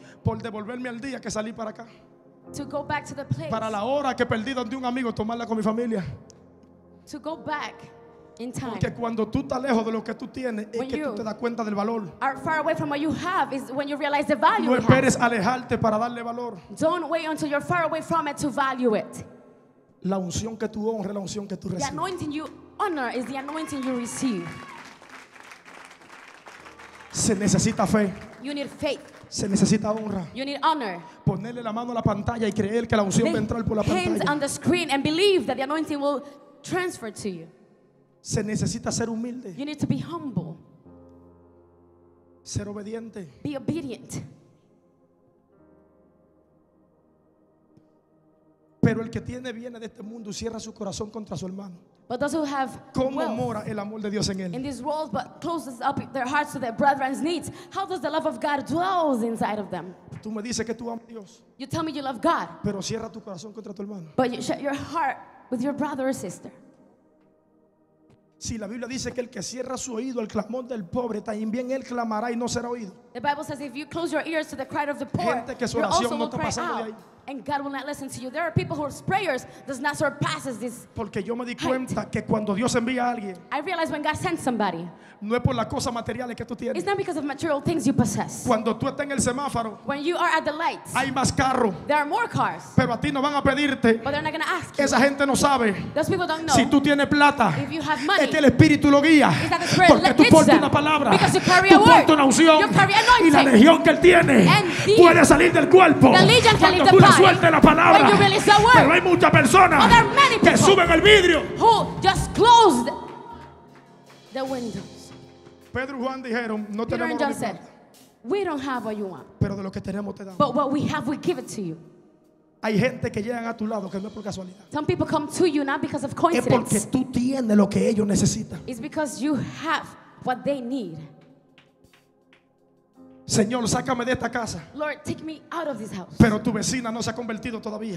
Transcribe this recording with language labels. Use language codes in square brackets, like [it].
[es] Por devolverme al día que salí para acá. [en] To go back to the place. [es] Para la hora que perdí donde un amigo tomarla con mi familia. [en] To go back in time. [es] Porque cuando tú estás lejos de lo que tú tienes [en] when [es] es que tú te das cuenta del valor. [en] Are far away from what you have is when you realize the value. [es] No esperes alejarte para darle valor. [en] Don't wait until you're far away from it to value it. [es] La unción que tú honras, la unción que tú recibes. [en] The anointing you honor is the anointing you receive. [es] Se necesita fe. [en] You need faith. [es] Se necesita honra. [en] You need honor. [es] Ponerle la mano a la pantalla y creer que la unción va a entrar por la pantalla. [en] Hands on the screen and believe that the anointing will transfer to you. [es] Se necesita ser humilde. [en] You need to be humble. [es] Ser obediente. [en] Be obedient. [es] Pero el que tiene viene de este mundo y cierra su corazón contra su hermano. [en] But those who have [es] ¿cómo [en] wealth [es] mora el amor de Dios en él? [en] In this world but closes up their hearts to their brethren's needs. How does the love of God dwell inside of them? [es] Tú me dices que tú amas a Dios. [en] You tell me you love God. [es] Pero cierra tu corazón contra tu hermano. [en] But you shut your heart with your brother or sister. [es] Si la Biblia dice que el que cierra su oído al clamor del pobre, también él clamará y no será oído. [en] The Bible says if you close your ears to the cry of the poor, [es] gente que su oración no está pasando de ahí. [en] And God will not listen to you. There are people whose prayers does not surpass this. [es] Porque yo me di cuenta que cuando Dios envía a alguien, [en] I realize when God sends somebody, [es] no es por las cosas materiales que tú tienes. [en] It's not because of material things you possess. [es] Cuando tú estás en el semáforo, [en] when you are at the lights, [es] hay más carros. [en] There are more cars. [es] Pero a ti no van a pedirte. [en] But they're not going to ask you. [es] Esa gente no sabe. [en] Those people don't know. [es] Si tú tienes plata, [en] if you have money, [es] es que el Espíritu lo guía. [en] Is that the Spirit? [es] Porque tú portas una palabra. [en] Because you carry a word. [es] Una unción. [en] You carry anointing. [es] Y la legión que él tiene puede salir del cuerpo. [en] The legion can leave the body. [es] Suelte la palabra. Pero hay muchas personas que suben el vidrio. [en] Who just closed the windows. [es] Pedro y Juan dijeron, no [en] Peter [es] tenemos [en] and John said, We don't have what you want. [es] Pero de lo que tenemos te damos. [en] But what we have, we give it to you. [es] Hay gente que llegan a tu lado que no es por casualidad. [en] Some people come to you not because of coincidence. [es] Es porque tú tienes lo que ellos necesitan. [en] It's because you have what they need. [es] Señor, sácame de esta casa. [en] Lord, take me out of this house. [es] Pero tu vecina no se ha convertido todavía.